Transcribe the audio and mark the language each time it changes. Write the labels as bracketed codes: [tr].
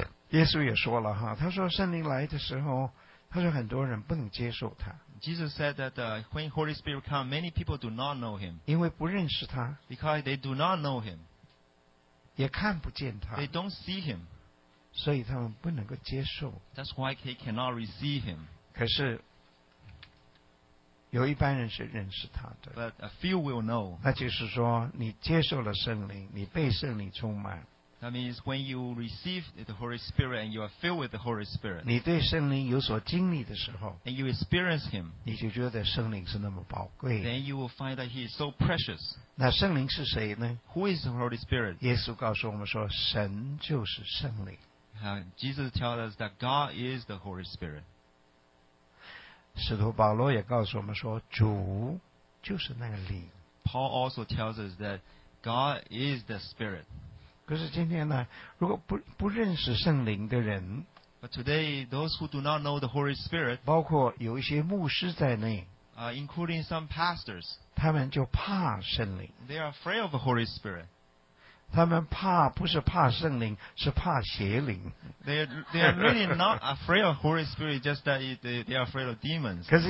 [zh] 耶稣也说了哈，他说圣灵来的时候，他说很多人不能接受他。 [en] Jesus said that when Holy Spirit comes, many people do not know Him. [zh] 因为不认识他。 [en] Because they do not know Him. [zh] 也看不见他。 [en] They don't see Him. [zh] 所以他们不能够接受。 [en] That's why they cannot receive Him. [zh] 可是有一般人是认识他的。 [en] But a few will know. [zh] 那就是说，你接受了圣灵，你被圣灵充满。 [en] That means when you receive the Holy Spirit and you are filled with the Holy Spirit, [zh] 你对圣灵有所经历的时候, [en] and you experience Him, [zh] 你就觉得圣灵是那么宝贵, [en] then you will find that He is so precious. [zh] 那圣灵是谁呢? [en] Who is the Holy Spirit? [zh] 耶稣告诉我们说, 神就是圣灵。 [en] Jesus tells us that God is the Holy Spirit. [zh] 使徒保罗也告诉我们说, 主就是那个灵。 [en] Paul also tells us that God is the Spirit. [zh] 可是今天呢，如果不认识圣灵的人， [en] but today those who do not know the Holy Spirit, [zh] 包括有一些牧师在内， [en] including some pastors, [zh] 他们就怕圣灵， [en] they are afraid of the Holy Spirit. [zh] 他们怕不是怕圣灵，是怕邪灵。 [en] they are really not afraid of Holy Spirit, just that they are afraid of demons.